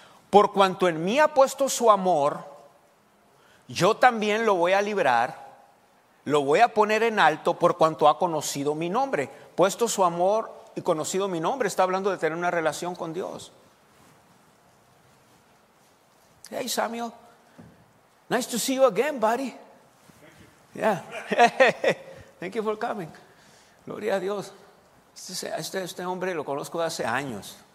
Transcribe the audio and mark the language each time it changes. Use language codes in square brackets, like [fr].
[es] Por cuanto en mí ha puesto su amor, yo también lo voy a librar, lo voy a poner en alto por cuanto ha conocido mi nombre. Puesto su amor y conocido mi nombre, está hablando de tener una relación con Dios. [en] Hey, Samuel, nice to see you again, buddy. Yeah, thank you for coming. [es] Gloria a Dios. Este hombre lo conozco de hace años.